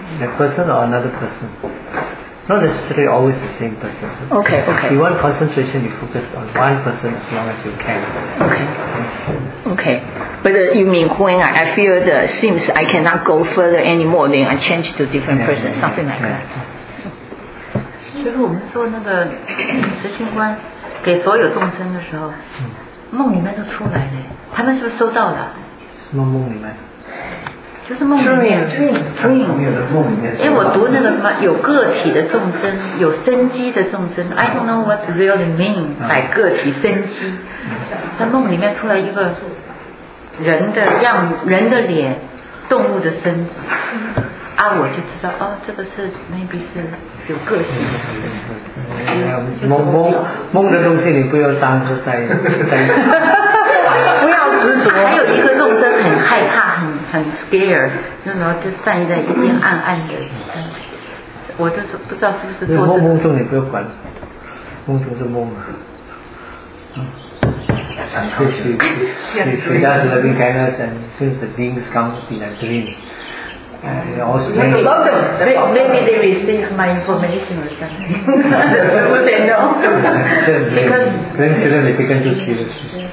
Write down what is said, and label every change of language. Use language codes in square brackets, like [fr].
[en] That person or another person. Not necessarily always the same person. Okay. If you want concentration, you focus on one person as long as you can. Okay. Okay, but you mean when I feel the seems I cannot go further anymore, then I change to different person, something like that. [zh] 其实我们做那个实心观给所有众生的时候，梦里面都出来了，他们是不是收到了？什么梦里面？就是梦里面 [en] dream. [zh] 因为我读那个什么有个体的众生，有生机的众生 ， [en] I don't know what really mean by [zh] 个体生机。在梦里面出来一个人的样，人的脸，动物的身子，啊，我就知道哦，这个是 maybe 是有个性的。梦的东西你不要当是在在。不要执着。还有一个众生很害怕，很 scare， 然后就站在一边暗暗的。我就是不知道是不是做、这个。梦中你不要管，梦中是梦啊。 [en] She does loving kindness, and since the beings come in a dream, maybe they receive my information or something. Would they know? Because dream shouldn't be taken too seriously.